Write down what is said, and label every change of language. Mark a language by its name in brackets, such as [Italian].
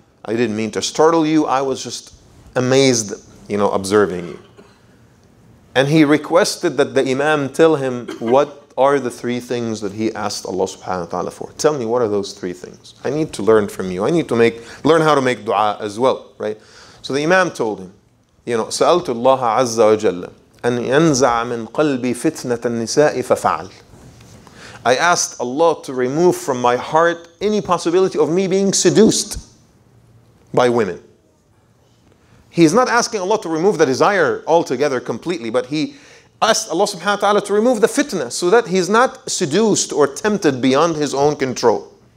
[English] I didn't mean to startle you. I was just amazed, you know, observing you. And he requested that the imam tell him, what are the three things that he asked Allah subhanahu wa ta'ala for? Tell me, what are those three things? I need to learn from you. I need to learn how to make dua as well, right? So the imam told him, you know, [Arabic] سَأَلْتُ اللَّهَ عَزَّ وَجَلَّ أن ينزع من قلبي فتنة النساء ففعل. [English] I asked Allah to remove from my heart any possibility of me being seduced by women. He's not asking Allah to remove the desire altogether, completely, but he asked Allah subhanahu wa ta'ala to remove the fitna so that he's not seduced or tempted beyond his own control.